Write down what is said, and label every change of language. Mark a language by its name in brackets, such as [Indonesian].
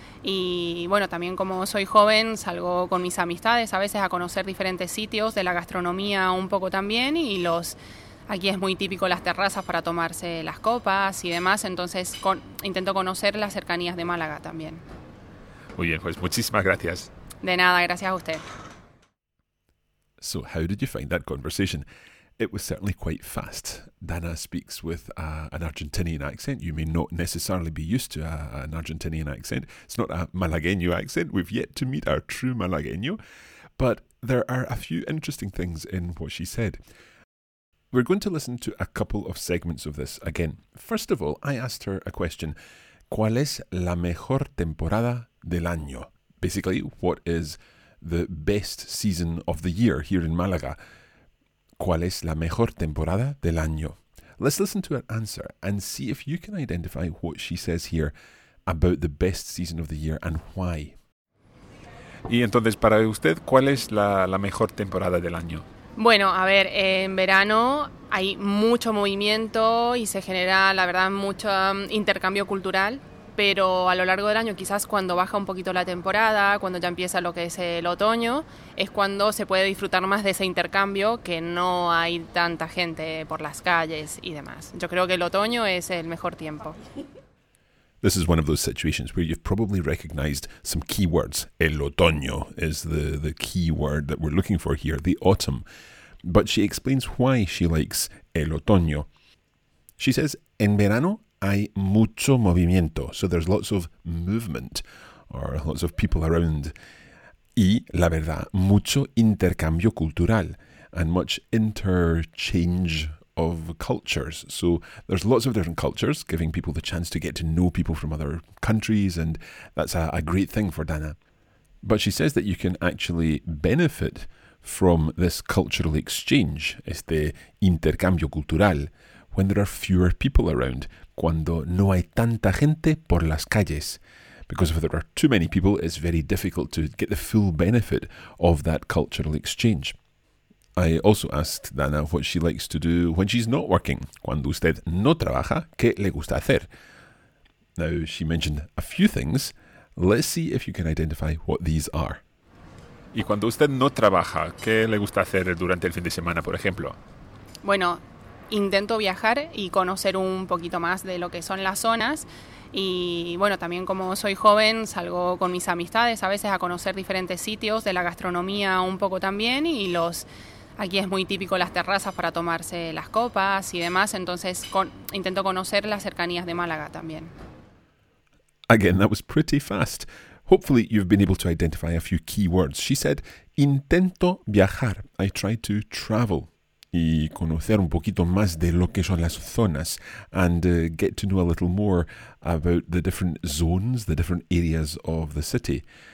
[Spanish] Y bueno, también como soy joven, salgo con mis amistades a veces a conocer diferentes sitios, de la gastronomía un poco también, y los aquí es muy típico las terrazas para tomarse las copas y demás, entonces intento conocer las cercanías de Málaga también. Muy bien, pues muchísimas gracias. De nada, gracias a usted. [English] So, how did you find that conversation? It was certainly quite fast. Dana speaks with an Argentinian accent. You may not necessarily be used to an Argentinian accent. It's not a Malagueño accent. We've yet to meet our true Malagueño. But there are a few interesting things in what she said. We're going to listen to a couple of segments of this again. First of all, I asked her a question. [Spanish] ¿Cuál es la mejor temporada del año? [English] Basically, what is the best season of the year here in Málaga? [Spanish] ¿Cuál es la mejor temporada del año? [English] Let's listen to her answer and see if you can identify what she says here about the best season of the year and why. [Spanish] Y entonces, para usted, ¿cuál es la mejor temporada del año? Bueno, a ver, en verano hay mucho movimiento y se genera, la verdad, mucho intercambio cultural. Pero a lo largo del año, quizás cuando baja un poquito la temporada, cuando ya empieza lo que es el otoño, es cuando se puede disfrutar más de ese intercambio, que no hay tanta gente por las calles y demás. Yo creo que el otoño es el mejor tiempo. [English] This is one of those situations where you've probably recognized some keywords. El otoño is the key word that we're looking for here, the autumn. But she explains why she likes el otoño. She says, [Spanish] en verano hay mucho movimiento. [English] So there's lots of movement or lots of people around. [Spanish] Y la verdad, mucho intercambio cultural [English] and much interchange of cultures. So there's lots of different cultures, giving people the chance to get to know people from other countries, and that's a great thing for Dana. But she says that you can actually benefit from this cultural exchange, [Spanish] este intercambio cultural, [English] when there are fewer people around. [Spanish] Cuando no hay tanta gente por las calles. [English] Because if there are too many people, it's very difficult to get the full benefit of that cultural exchange. I also asked Dana what she likes to do when she's not working. [Spanish] Cuando usted no trabaja, ¿qué le gusta hacer? [English] Now, she mentioned a few things. Let's see if you can identify what these are. [Spanish] Y cuando usted no trabaja, ¿qué le gusta hacer durante el fin de semana, por ejemplo? Bueno, intento viajar y conocer un poquito más de lo que son las zonas. Y bueno, también como soy joven, salgo con mis amistades a veces a conocer diferentes sitios, de la gastronomía un poco también. Y aquí es muy típico las terrazas para tomarse las copas y demás. Entonces intento conocer las cercanías de Málaga también. [English] Again, that was pretty fast. Hopefully you've been able to identify a few key words. She said, [Spanish] intento viajar. [English] I try to travel. [Spanish] Y conocer un poquito más de lo que son las zonas, [English] and get to know a little more about the different zones, the different areas of the city.